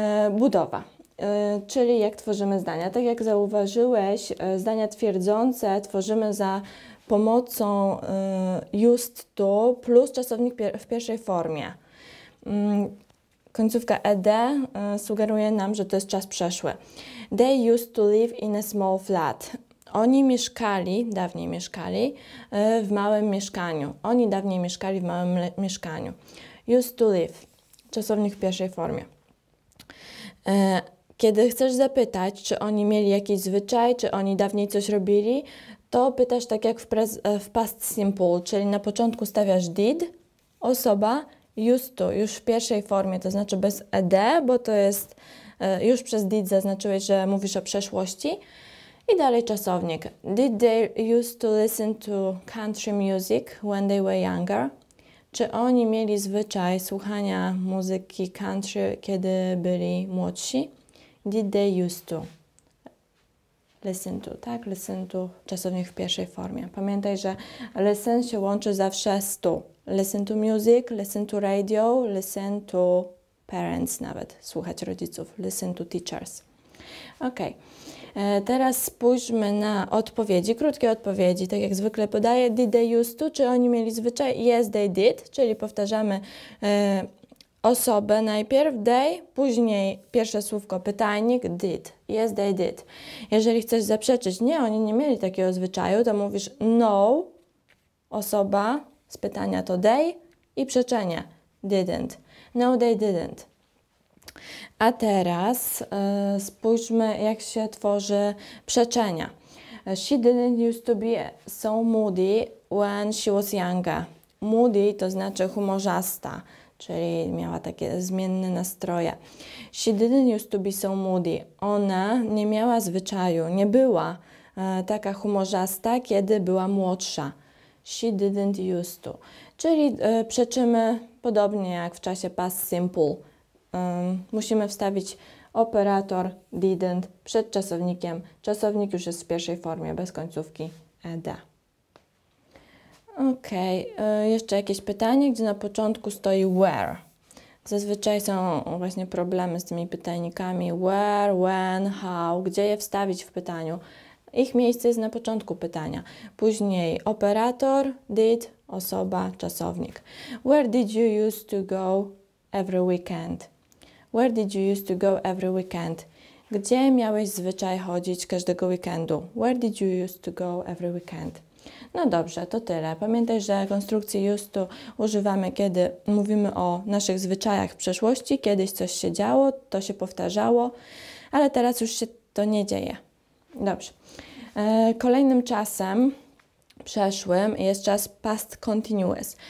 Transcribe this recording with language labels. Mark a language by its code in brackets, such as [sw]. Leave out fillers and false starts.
[pl] Budowa, czyli jak tworzymy zdania. Tak jak zauważyłeś, zdania twierdzące tworzymy za pomocą used to plus czasownik w pierwszej formie. Końcówka ed sugeruje nam, że to jest czas przeszły. [en] They used to live in a small flat. [pl] Oni mieszkali, dawniej mieszkali, w małym mieszkaniu. Oni dawniej mieszkali w małym mieszkaniu. [en] Used to live. [pl] Czasownik w pierwszej formie. Kiedy chcesz zapytać, czy oni mieli jakiś zwyczaj, czy oni dawniej coś robili, to pytasz tak jak w past simple, czyli na początku stawiasz did, osoba, used to, już w pierwszej formie, to znaczy bez ed, bo to jest, już przez did zaznaczyłeś, że mówisz o przeszłości. I dalej czasownik. [en] Did they used to listen to country music when they were younger? [pl] Czy oni mieli zwyczaj słuchania muzyki country, kiedy byli młodsi? [en] Did they used to listen to, [pl] tak? Listen to, czasownik w pierwszej formie. Pamiętaj, że listen się łączy zawsze z to. [en] Listen to music, listen to radio, listen to parents [pl] nawet, słuchać rodziców, [en] listen to teachers. Ok. [pl] Teraz spójrzmy na odpowiedzi, krótkie odpowiedzi. Tak jak zwykle podaję, [en] did they used to, [pl] czy oni mieli zwyczaj? [en] Yes, they did, [pl] czyli powtarzamy osobę najpierw, they, później pierwsze słówko, pytajnik, did. Yes, they did. Jeżeli chcesz zaprzeczyć, nie, oni nie mieli takiego zwyczaju, to mówisz no, osoba z pytania to they i przeczenie, didn't. [en] No, they didn't. [pl] A teraz spójrzmy, jak się tworzy przeczenia. [en] She didn't used to be so moody when she was younger. [pl] Moody to znaczy humorzasta, czyli miała takie zmienne nastroje. [en] She didn't used to be so moody. [pl] Ona nie miała zwyczaju, nie była taka humorzasta, kiedy była młodsza. [en] She didn't used to. [pl] Czyli przeczymy podobnie jak w czasie past simple. Musimy wstawić operator didn't przed czasownikiem. Czasownik już jest w pierwszej formie, bez końcówki ed. Ok, jeszcze jakieś pytanie, gdzie na początku stoi where. Zazwyczaj są właśnie problemy z tymi pytajnikami. Where, when, how, gdzie je wstawić w pytaniu. Ich miejsce jest na początku pytania. Później operator, did, osoba, czasownik. [en] Where did you used to go every weekend? Where did you used to go every weekend? [pl] Gdzie miałeś zwyczaj chodzić każdego weekendu? [en] Where did you used to go every weekend? [pl] No dobrze, to tyle. Pamiętaj, że konstrukcji used to używamy, kiedy mówimy o naszych zwyczajach w przeszłości. Kiedyś coś się działo, to się powtarzało, ale teraz już się to nie dzieje. Dobrze. Kolejnym czasem przeszłym jest czas past continuous.